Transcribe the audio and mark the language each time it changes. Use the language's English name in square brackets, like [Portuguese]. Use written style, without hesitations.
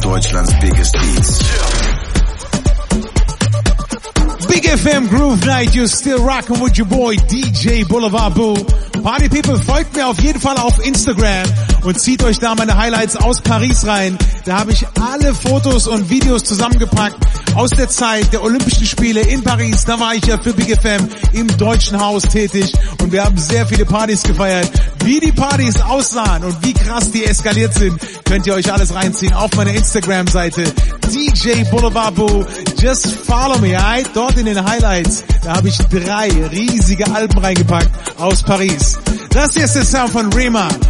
[English] Deutschland's biggest beats. Big FM Groove Night, you're still rocking with your boy DJ Boulevard Boo. [German] Party People, folgt mir auf jeden Fall auf Instagram und zieht euch da meine Highlights aus Paris rein. Da habe ich alle Fotos und Videos zusammengepackt aus der Zeit der Olympischen Spiele in Paris. Da war ich ja für Big FM im Deutschen Haus tätig und wir haben sehr viele Partys gefeiert. Wie die Partys aussahen und wie krass die eskaliert sind, könnt ihr euch alles reinziehen auf meiner Instagram-Seite. [English] DJ Boulevard Boo, just follow me, alright? [German] Dort in den Highlights, da habe ich drei riesige Alben reingepackt aus Paris. Das hier ist der Sound von Rema.